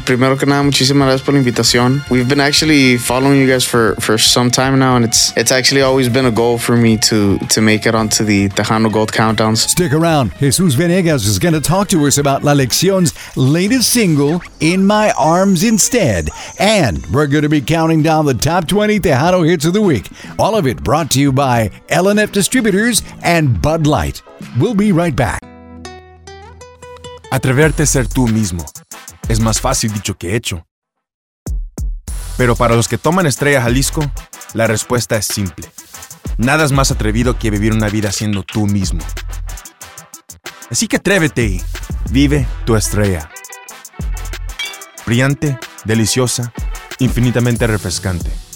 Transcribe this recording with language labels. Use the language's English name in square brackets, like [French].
[Spanish] Primero que nada, muchísimas gracias por la invitación. [English] We've been actually following you guys for some time now, and it's actually always been a goal for me to make it onto the Tejano Gold Countdowns. Stick around. Jesús Venegas is going to talk to us about La Lección's latest single, In My Arms Instead. And we're going to be counting down the top 20 Tejano hits of the week. All of it brought to you by Ellen Distributors and Bud Light. We'll be right back. [Spanish] Atreverte a ser tú mismo es más fácil dicho que hecho. Pero para los que toman Estrella Jalisco, la respuesta es simple. Nada es más atrevido que vivir una vida siendo tú mismo. Así que atrévete y vive tu estrella. Brillante, deliciosa, infinitamente refrescante.